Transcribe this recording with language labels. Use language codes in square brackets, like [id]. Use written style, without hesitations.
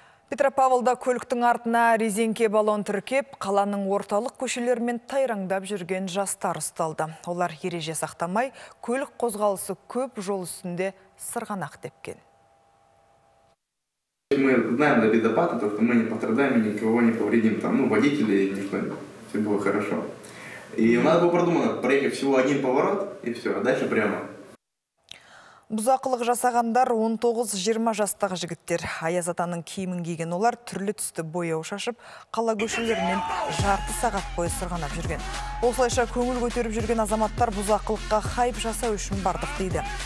[kk] Петропавлда көліктің артына резеңке баллон тіркеп, қаланың орталық көшелерімен тайраңдап жүрген жастар ұсталды. Олар ереже сақтамай, көлік қозғалысы көп жол үстінде сырғанақ тепкен. [ru] Мы знаем до бедопада, то что мы не пострадаем, никого не повредим, там, ну, водителей, никто, все было хорошо. И надо было продумано, проехать всего один поворот, и все, а дальше прямо. [kk] Бұзақылық жасағандар 19-20 жастағы жігіттер. Аяз атаның киімін киген олар түрлі түсті бояу шашып, қала көшелерімен жарты сағат бойы сырғанап жүрген. Осылайша көңіл көтеріп жүрген азаматтар бұзақылыққа хайп жасау үшін бардық дейді.